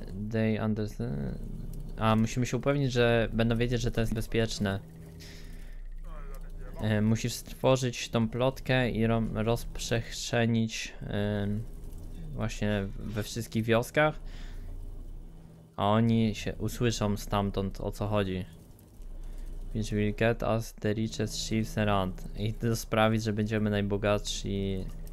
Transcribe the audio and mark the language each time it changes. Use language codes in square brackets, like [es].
[en] They understand. [pl] A musimy się upewnić, że będą wiedzieć, że to jest bezpieczne. Musisz stworzyć tą plotkę i rozprzestrzenić właśnie we wszystkich wioskach. A oni się usłyszą stamtąd, o co chodzi. [en] Which will get us the richest chiefs around. [pl] I to sprawić, że będziemy najbogatsi.